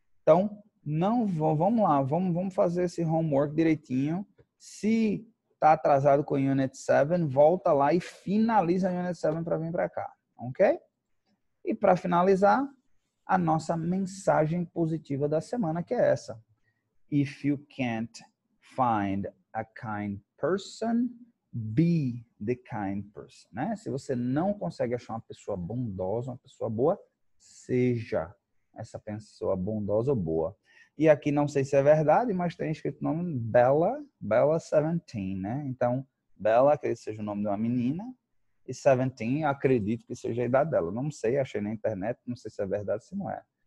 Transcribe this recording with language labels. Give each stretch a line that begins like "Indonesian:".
Portuguese: Então, não, vamos lá, vamos fazer esse homework direitinho. Se está atrasado com o Unit 7, volta lá e finaliza o Unit 7 para vir para cá, ok? E para finalizar, a nossa mensagem positiva da semana, que é essa.
English: If you can't find a kind person, be the kind person, né?
Portuguese: Se você não consegue achar uma pessoa bondosa, uma pessoa boa, seja essa pessoa bondosa ou boa. E aqui não sei se é verdade, mas tem escrito o nome Bella, Bella 17, né? Então, Bella, que seja o nome de uma menina, E 17, acredito que seja a idade dela. Não sei, achei na internet, não sei se é verdade ou se não é.